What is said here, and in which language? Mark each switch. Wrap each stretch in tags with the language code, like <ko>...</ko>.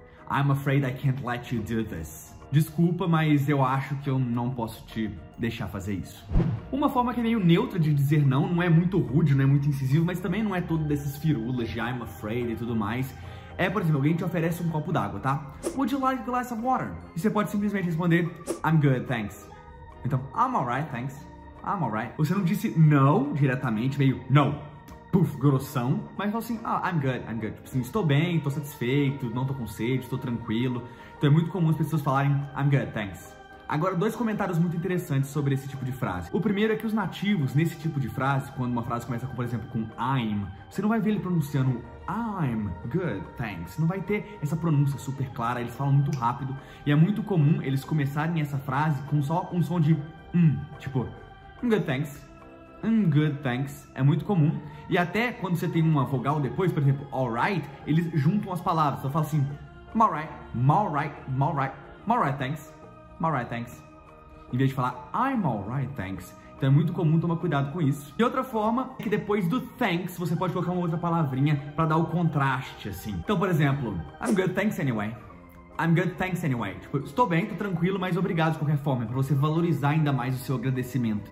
<en>I'm afraid I can't let you do this.</en> <pt>Desculpa, mas eu acho que eu não posso te deixar fazer isso. Uma forma que é meio neutra de dizer não, não é muito rude, não é muito incisivo, mas também não é todo desses firulas de</pt> <en>I'm afraid</en> <pt>e tudo mais, é, por exemplo, alguém te oferece um copo d'água, tá?</pt> <en>Would you like a glass of water?</en> <pt>E você pode simplesmente responder,</pt> <en>I'm good, thanks.</en> <pt>Então,</pt> <en>I'm alright, thanks. I'm alright.</en> <pt>Você não disse não diretamente, meio no. Puf, grossão, mas fala assim, oh,</pt> <en>I'm good,</en> <pt>tipo assim, estou bem, estou satisfeito, não estou com sede, estou tranquilo. Então é muito comum as pessoas falarem,</pt> <en>I'm good, thanks,</en> <pt>Agora, dois comentários muito interessantes sobre esse tipo de frase. O primeiro é que os nativos, nesse tipo de frase, quando uma frase começa com, por exemplo, com I'm, você não vai ver ele pronunciando</pt> <en>I'm good, thanks.</en> <pt>Não vai ter essa pronúncia super clara, eles falam muito rápido. E é muito comum eles começarem essa frase com só um som de tipo,</pt> <en>I'm good, thanks. I'm good, thanks.</en> <pt>É muito comum. E até quando você tem uma vogal depois, por exemplo, alright, eles juntam as palavras. Então fala assim,</pt> <en>I'm alright, I'm alright, I'm alright, I'm alright, thanks. I'm alright, thanks.</en> <pt>Em vez de falar,</pt> <en>I'm alright, thanks.</en> <pt>Então é muito comum tomar cuidado com isso. E outra forma é que depois do thanks, você pode colocar uma outra palavrinha pra dar o contraste, assim. Então, por exemplo,</pt> <en>I'm good, thanks anyway. I'm good, thanks anyway.</en> <pt>Tipo, estou bem, tô tranquilo, mas obrigado de qualquer forma. É pra você valorizar ainda mais o seu agradecimento.</pt>